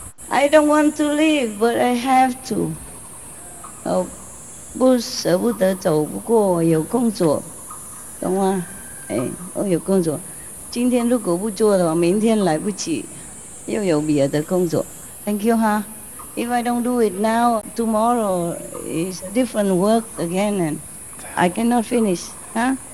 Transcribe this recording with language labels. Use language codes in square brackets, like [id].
[en] I don't want to leave, but I have to. [zh] Oh, 不舍不得走，不过有工作，懂吗？哎，我有工作，今天如果不做的话，明天来不及，又有别的工作。 [en] Thank you, huh? If I don't do it now, tomorrow is different work again, and I cannot finish, huh?